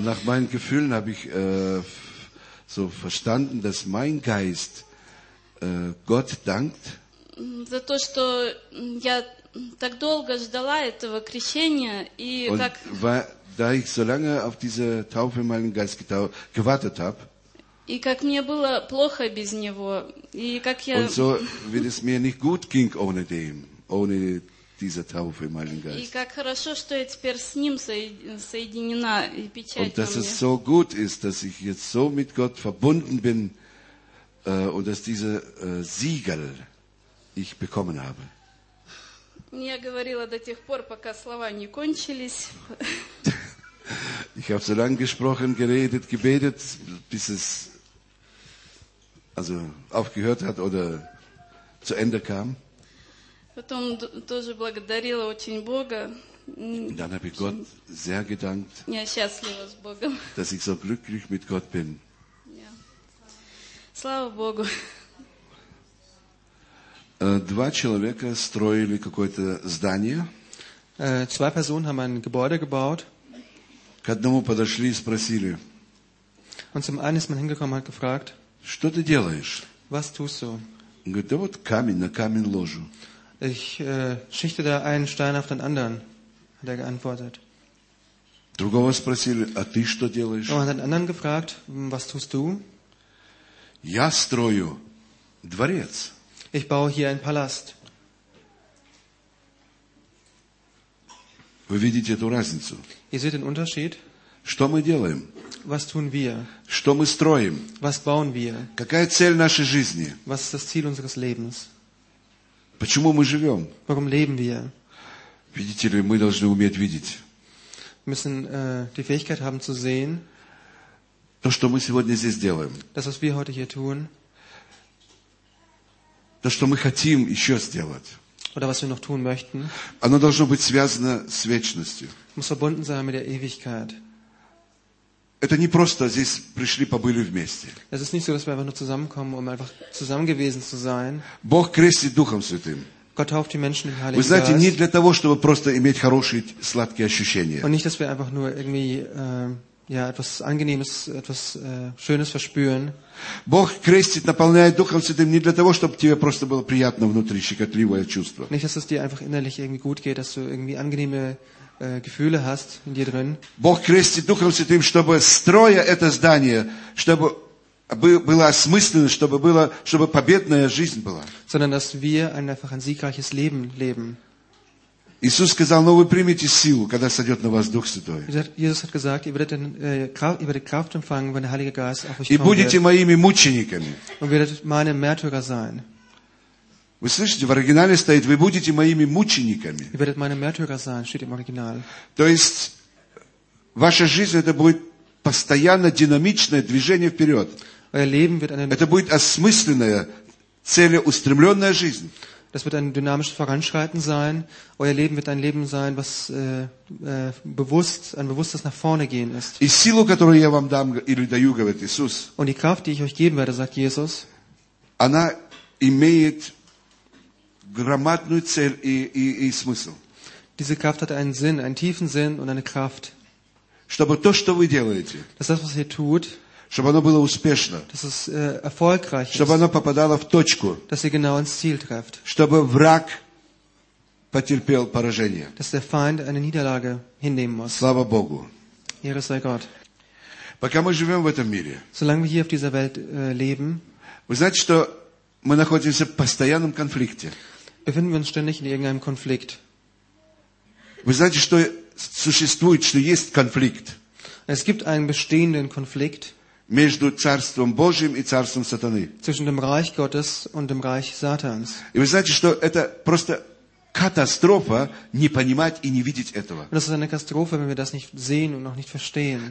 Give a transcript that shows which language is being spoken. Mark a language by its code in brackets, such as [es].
[de] Nach meinen Gefühlen habe ich so verstanden, dass mein Geist Gott dankt. [ru] За то, что я так долго ждала этого крещения и [de] und [ru] как. [de] Da ich so lange auf diese Taufe in meinen Geist gewartet habe. [ru] И как мне было плохо без него и как я. [de] Und so wie es mir nicht gut ging ohne dem, ohne diese Taufe in meinen Geist. [ru] И как хорошо, что я теперь с ним соединена и печать [de] Und dass es so gut ist, dass ich jetzt so mit Gott verbunden bin und dass diese Siegel ich bekommen habe. [ru] Я говорила до тех пор, пока слова не кончились. [de] Ich habe so lange gesprochen, geredet, gebetet, bis es also aufgehört hat oder zu Ende kam. [ru] Потом тоже благодарила очень Бога. [de] Und dann habe ich Gott sehr gedankt. [ru] Я счастлива с Богом. [de] Dass ich so glücklich mit Gott bin. [ru] Ja. Слава Богу. Два человека строили какое-то здание. [de] Zwei Personen haben ein Gebäude gebaut. [ru] К одному подошли и спросили. [de] Und zum einen ist man hingekommen, hat gefragt. [ru] Что ты делаешь? [de] Was tust du? [ru] Он говорит, да вот камень на камень ложу. [de] Ich schichte da einen Stein auf den anderen, hat er geantwortet. [ru] Другого спросили, а ты что делаешь? [de] Und man hat einen anderen gefragt, was tust du? [ru] Я строю дворец. [de] Ich baue hier einen Palast. [ru] Вы видите эту разницу? [de] Ihr seht den Unterschied? [ru] Что мы делаем? [de] Was tun wir? [ru] Что мы строим? [de] Was bauen wir? [ru] Какая цель нашей жизни? [de] Was ist das Ziel unseres Lebens? [ru] Почему мы живем? [de] Warum leben wir? [ru] Видите ли, мы должны уметь видеть. [de] Wir müssen die Fähigkeit haben zu sehen. [ru] То, что мы сегодня здесь делаем. [de] Das, was wir heute hier tun. [ru] То, что мы хотим еще сделать. [de] Oder was wir noch tun möchten. [ru] Оно должно быть связано с вечностью. [de] Muss verbunden sein mit der Ewigkeit. [ru] Это не просто здесь пришли, побыли вместе. [de] Es ist nicht so, dass wir einfach nur zusammenkommen, um einfach zusammen gewesen zu sein. [ru] Бог крестит Духом Святым. [de] Gott tauft die Menschen im Heiligen [ru] Geist. Вы знаете, не для того, чтобы просто иметь хорошие сладкие ощущения. [de] Und nicht, dass wir einfach nur irgendwie ja, etwas Angenehmes, etwas Schönes verspüren. [ru] Бог крестит, наполняет Духом Святым не для того, чтобы тебе просто было приятно внутри, щекотливое чувство. [de] Nicht, dass es dir einfach innerlich irgendwie gut geht, dass du irgendwie angenehme Gefühle hast in dir drin. [ru] Бог крестит Духом Святым, чтобы строя это здание, чтобы было осмысленно, чтобы было, чтобы победная жизнь была. [de] Sondern dass wir einfach ein siegreiches Leben leben. [ru] Иисус сказал: «Но вы примете силу, когда сойдет на вас Дух Святой». Иисус сказал: «Ибо ты ибо ты крафт эмпфанг, ибо Хелига Гас опущен». И будете моими мучениками. [de] Und werdet meine Märtyrer sein. [ru] Вы слышите? В оригинале стоит: «Вы будете моими мучениками». [de] Und werdet meine Märtyrer sein, steht im Original. [ru] То есть ваша жизнь это будет постоянно динамичное движение вперед. [de] Euer Leben wird eine. [ru] Это будет осмысленная, целеустремленная жизнь. [de] Das wird ein dynamisches Voranschreiten sein. Euer Leben wird ein Leben sein, was ein bewusstes nach vorne gehen ist. [ru] И силу, которую я вам дам или даю, говорит Иисус. [de] Und die Kraft, die ich euch geben werde, sagt Jesus. [ru] Она имеет громадную цель и смысл. [de] Diese Kraft hat einen Sinn, einen tiefen Sinn und eine Kraft. [ru] Чтобы то, что вы делаете. [de] Dass das, was ihr tut. [ru] Чтобы оно было успешно. [de] Dass es erfolgreich ist. [ru] Чтобы оно попадало в точку. [de] Dass ihr genau ins Ziel trefft. [ru] Чтобы враг потерпел поражение. [de] Dass der Feind eine Niederlage hinnehmen muss. [ru] Слава Богу. [de] Ehre sei Gott. [ru] Пока мы живем в этом мире. [de] Solange wir hier auf dieser Welt leben. [ru] Вы знаете, что мы находимся в постоянном конфликте. [de] Befinden wir uns ständig in irgendeinem Konflikt. [ru] Вы знаете, что существует, что есть конфликт. [de] Es gibt einen bestehenden Konflikt. [ru] Между царством Божьим и царством Сатаны. [de] Zwischen dem Reich Gottes und dem Reich Satans. [ru] И вы знаете, что это просто катастрофа не понимать и не видеть этого. [de] Das ist eine Katastrophe, wenn wir das nicht sehen und noch nicht verstehen.